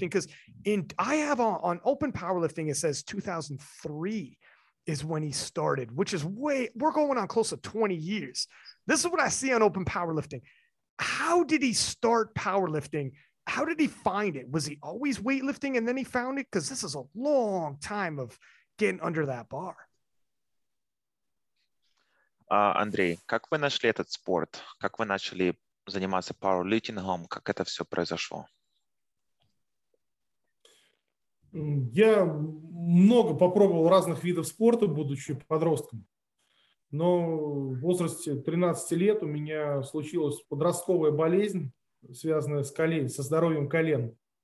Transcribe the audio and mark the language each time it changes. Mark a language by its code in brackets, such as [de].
[en] Because I have on Open Powerlifting, it says 2003 is when he started, which is we're going on close to 20 years. This is what I see on Open Powerlifting. How did he start powerlifting? How did he find it? Was he always weightlifting and then he found it? Because this is a long time of getting under that bar. [uk] Андрій, як ви знайшли цей спорт? Як ви почали займатися пауерліфтингом? Як це все [ru] произошло? Я много попробовал разных видов спорта, будучи подростком. Но в возрасте 13 лет у меня случилась подростковая болезнь, связанная с со здоровьем колен.